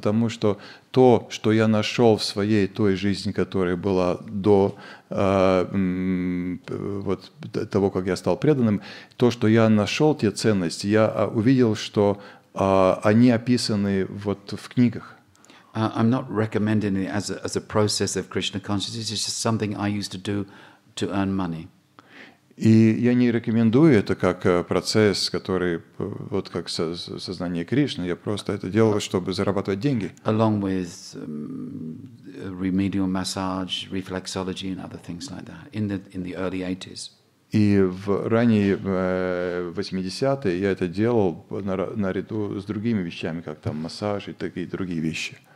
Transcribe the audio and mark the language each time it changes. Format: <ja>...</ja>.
<ru>Потому что то, что я нашел в своей той жизни, которая была до вот того, как я стал преданным, то, что я нашел те ценности, я увидел, что они описаны вот в книгах.</ru> <en>I'm not recommending it as a process of Krishna consciousness. It's just something I used to do to earn money.</en> <ru>И я не рекомендую это как процесс, который вот как сознание Кришны. Я просто это делал, чтобы зарабатывать деньги.</ru> <en>Along with remedial massage, reflexology, and other things like that in the early 80s.</en> <ru>И в ранние 80-е я это делал наряду с другими вещами, как там массаж и такие другие вещи.</ru>